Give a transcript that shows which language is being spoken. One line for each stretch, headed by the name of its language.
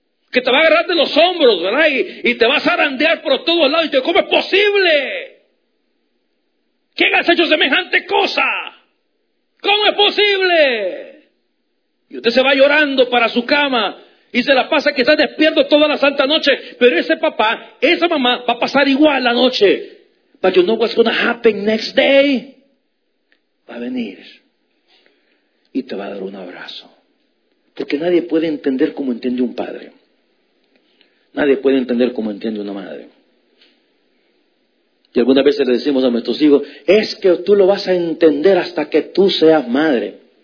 Spanish: Que te va a agarrar de los hombros, ¿verdad? Y te va a zarandear por todos lados y te dice, ¿cómo es posible? ¿Quién has hecho semejante cosa? ¿Cómo es posible? Y usted se va llorando para su cama. Y se la pasa que está despierto toda la santa noche. Pero ese papá, esa mamá, va a pasar igual la noche.
English: But you know what's going to happen next day?
Spanish: Va a venir y te va a dar un abrazo. Porque nadie puede entender como entiende un padre. Nadie puede entender como entiende una madre. Y algunas veces le decimos a nuestros hijos, es que tú lo vas a entender hasta que tú seas madre.